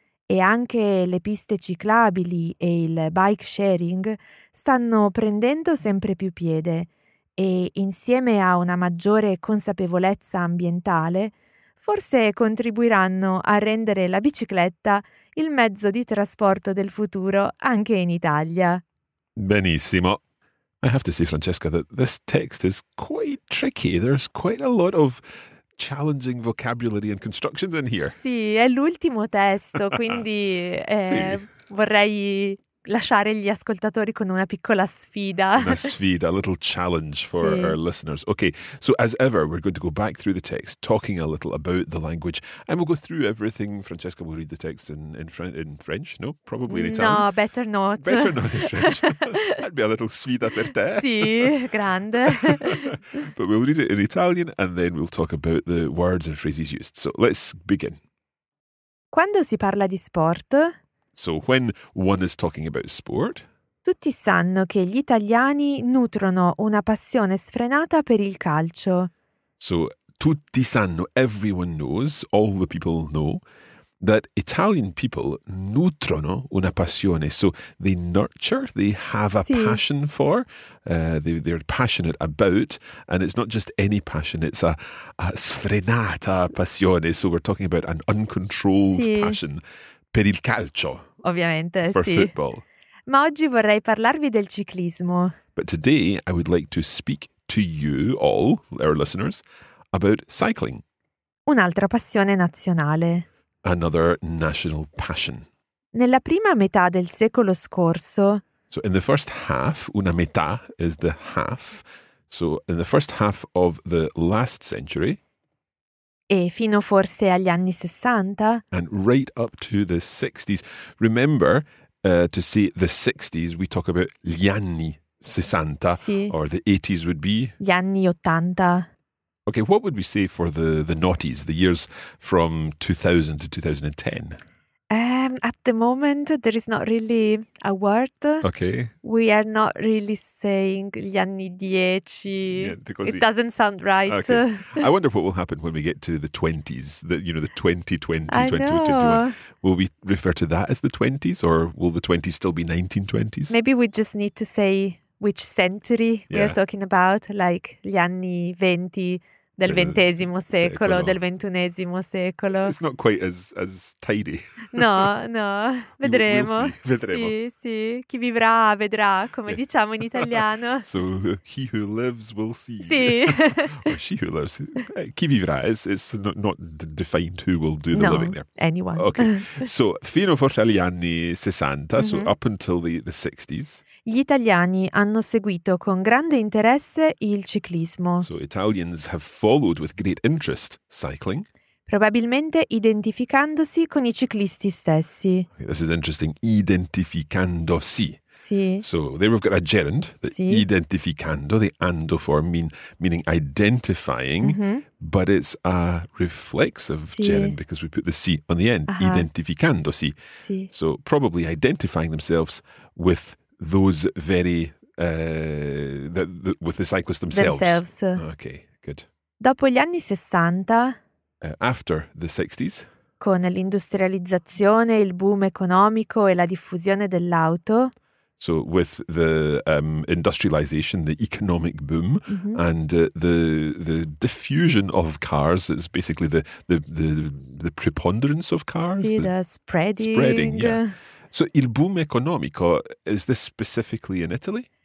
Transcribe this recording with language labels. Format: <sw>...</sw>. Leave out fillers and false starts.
<it>E anche le piste ciclabili e il bike sharing stanno prendendo sempre più piede e, insieme a una maggiore consapevolezza ambientale, forse contribuiranno a rendere la bicicletta il mezzo di trasporto del futuro anche in Italia. Benissimo.</it> <en>I have to say, Francesca, that this text is quite tricky. There's quite a lot of challenging vocabulary and constructions in here.</en> <it>Sì, è l'ultimo testo, quindi sì. Vorrei lasciare gli ascoltatori con una piccola sfida. Una sfida,</it> <en>a little challenge for sì. Our listeners. Okay, so as ever, we're going to go back through the text, talking a little about the language, and we'll go through everything. Francesca will read the text in French, no? Probably in Italian. No, better not. Better not in French. That'd be a little</en> <it>sfida per te. Sì, grande.</it> <en>But we'll read it in Italian, and then we'll talk about the words and phrases used. So let's begin.</en> <it>Quando si parla di sport...</it> <en>So when one is talking about sport,</en> <it>tutti sanno che gli italiani nutrono una passione sfrenata per il calcio.</it> <en>So</en> <it>tutti sanno,</it> <en>everyone knows, all the people know, that Italian people</en> <it>nutrono una passione.</it> <en>So they nurture, they have a</en> <it>sì.</it> <en>passion for, they're passionate about, and it's not just any passion, it's a</en> <it>sfrenata passione.</it> <en>So we're talking about an uncontrolled</en> <it>sì.</it> <en>passion.</en> <it>Per il calcio. Ovviamente,</it> <en>for</en> <it>sì.</it> <en>football.</en> <it>Ma oggi vorrei parlarvi del ciclismo.</it> <en>But today I would like to speak to you all, our listeners, about cycling.</en> <it>Un'altra passione nazionale.</it> <en>Another national passion.</en> <it>Nella prima metà del secolo scorso.</it> <en>So in the first half,</en> <it>una metà</it> <en>is the half. So in the first half of the last century.</en> <it>E fino forse agli anni 60.</it> <en>And right up to the 60s. Remember, to say the 60s, we talk about</en> <it>gli anni 60. Sì.</it> <en>Or the 80s would be?</en> <it>Gli anni 80.</it> <en>Okay, what would we say for the noughties, the years from 2000 to 2010? At the moment, there is not really a word. Okay. We are not really saying</en> <it>gli anni dieci. Niente così.</it> <en>It doesn't sound right. Okay. I wonder what will happen when we get to the 20s, the 2020, 2021. Will we refer to that as the 20s or will the 20s still be 1920s? Maybe we just need to say which century we are talking about, like</en> <it>gli anni venti. Del ventesimo secolo, del ventunesimo secolo.</it> <en>It's not quite as tidy.</en> <it>No, no, vedremo. Vedremo. Sì, sì, chi vivrà vedrà, come diciamo in italiano.</it> <en>So, he who lives will see.</en> <it>Sì.</it> <en>Or she who lives.</en> <it>Chi vivrà,</it> <en>it's not defined who will do the no, living there. No, anyone. Okay, so</en> <it>fino forse agli anni 60,</it> <en>so up until the 60s.</en> <it>Gli italiani hanno seguito con grande interesse il ciclismo.</it> <en>So Italians have followed with great interest cycling.</en> <it>Probabilmente identificandosi con i ciclisti stessi.</it> <en>Okay, this is interesting.</en> <it>Identificandosi. Sì.</it> <en>So there we've got a gerund. The</en> <it>sì.</it> <en>Identificando, the ando form, meaning identifying. Mm-hmm. But it's a reflexive</en> <it>sì.</it> <en>gerund because we put the C on the end. Aha.</en> <it>Identificandosi. Sì.</it> <en>So probably identifying themselves with those very, with the cyclists themselves. Okay, good.</en> <it>Dopo gli anni 60,</it> <en>after the 60s,</en> <it>con l'industrializzazione, il boom economico e la diffusione dell'auto,</it> <en>So with the industrialization, the economic boom, mm-hmm. and the diffusion of cars, it's basically the preponderance of cars. See, the spreading, yeah. So</en> <it>il boom economico,</it> <en>is this specifically in Italy?</en>